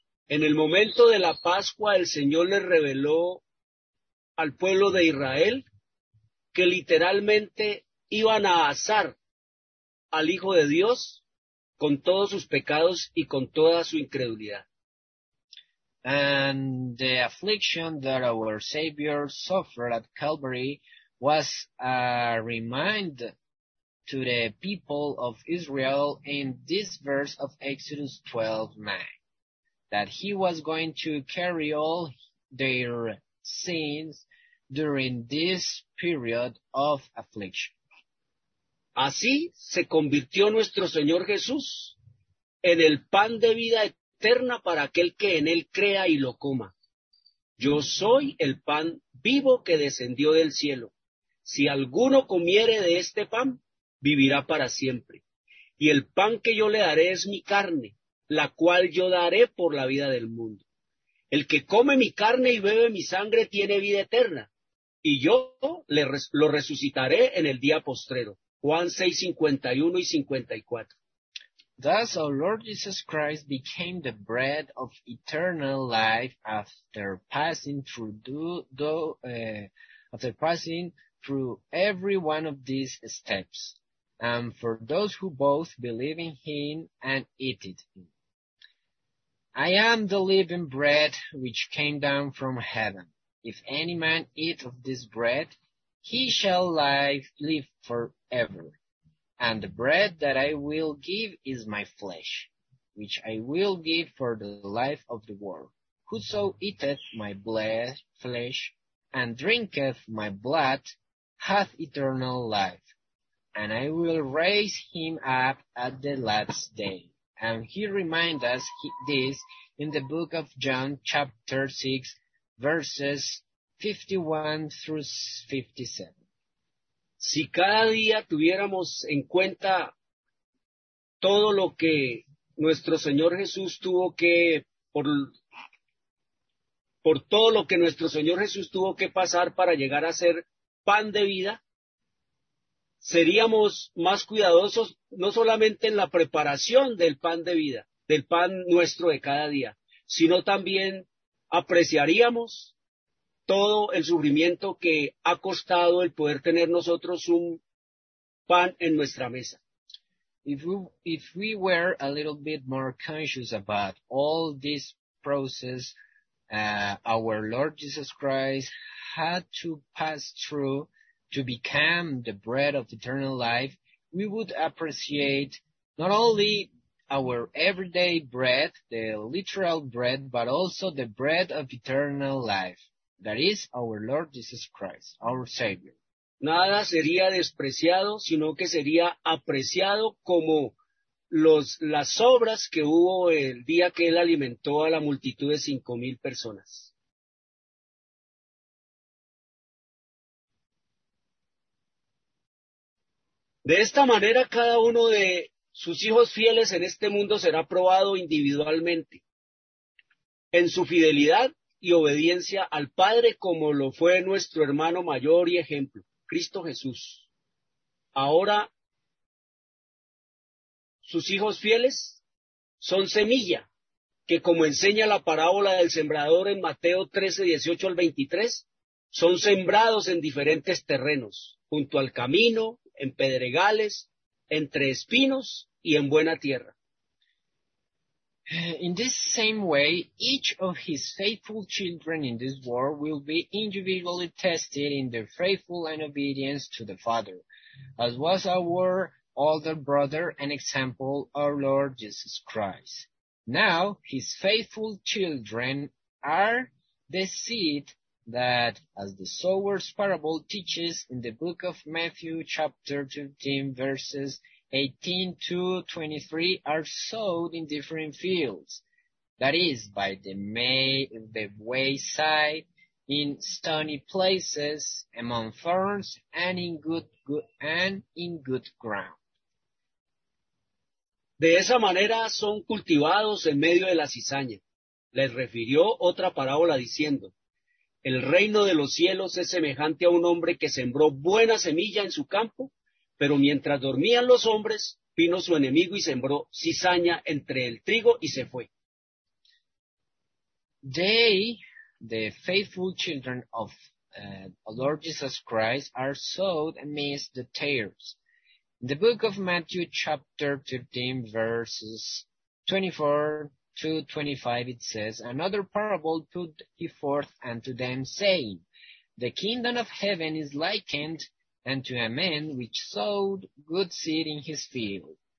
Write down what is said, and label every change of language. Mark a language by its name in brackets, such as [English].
[Spanish] En el momento de la Pascua, el Señor le reveló al pueblo de Israel que literalmente iban a asar al Hijo de Dios con todos sus pecados y con toda su incredulidad. [English] And the affliction that our Savior suffered at Calvary was a reminder to the people of Israel in this verse of Exodus 12:9, that he was going to carry all their sins during this period of affliction. [Spanish] Así se convirtió nuestro Señor Jesús en el pan de vida eterna para aquel que en él crea y lo coma. Yo soy el pan vivo que descendió del cielo. Si alguno comiere de este pan, vivirá para siempre. Y el pan que yo le daré es mi carne, la cual yo daré por la vida del mundo. El que come mi carne y bebe mi sangre tiene vida eterna, y yo lo resucitaré en el día postrero. Juan 6:51 y 54. [English] Thus our Lord Jesus Christ became the bread of eternal life after passing through every one of these steps, and for those who both believe in him and eat it. I am the living bread which came down from heaven. If any man eat of this bread, he shall live forever. And the bread that I will give is my flesh, which I will give for the life of the world. Whoso eateth my flesh and drinketh my blood hath eternal life, and I will raise him up at the last day. And he reminds us this in the book of John, chapter 6, verses 51 through 57. [Spanish] Si cada día tuviéramos en cuenta todo lo que nuestro Señor Jesús tuvo que, por todo lo que nuestro Señor Jesús tuvo que pasar para llegar a ser pan de vida, seríamos más cuidadosos no solamente en la preparación del pan de vida, del pan nuestro de cada día, sino también apreciaríamos todo el sufrimiento que ha costado el poder tener nosotros un pan en nuestra mesa. [English] If we were a little bit more conscious about all this process our Lord Jesus Christ had to pass through to become the bread of eternal life, we would appreciate not only our everyday bread, the literal bread, but also the bread of eternal life, that is our Lord Jesus Christ, our Savior. [Spanish] Nada sería despreciado, sino que sería apreciado como las obras que hubo el día que él alimentó a la multitud de 5,000 personas. De esta manera, cada uno de sus hijos fieles en este mundo será probado individualmente en su fidelidad y obediencia al Padre como lo fue nuestro hermano mayor y ejemplo, Cristo Jesús. Ahora, sus hijos fieles son semilla, que como enseña la parábola del sembrador en Mateo 13, 18 al 23, son sembrados en diferentes terrenos, junto al camino, en pedregales, entre espinos y en buena tierra. [English] In this same way, each of his faithful children in this world will be individually tested in their faithful and obedience to the Father, as was our older brother and example, our Lord Jesus Christ. Now, his faithful children are the seed that, as the sower's parable teaches in the book of Matthew chapter 15, verses 18 to 23, are sowed in different fields, that is, by the wayside, in stony places, among thorns, and in good ground. [Spanish] De esa manera son cultivados en medio de la cizaña. Les refirió otra parábola diciendo, el reino de los cielos es semejante a un hombre que sembró buena semilla en su campo, pero mientras dormían los hombres, vino su enemigo y sembró cizaña entre el trigo y se fue. [English] They, the faithful children of the Lord Jesus Christ, are sowed amidst the tares. In the book of Matthew chapter 15, verses 24 to 25, it says, another parable put he forth unto them, saying, the kingdom of heaven is likened and to a man which sowed good seed in his field.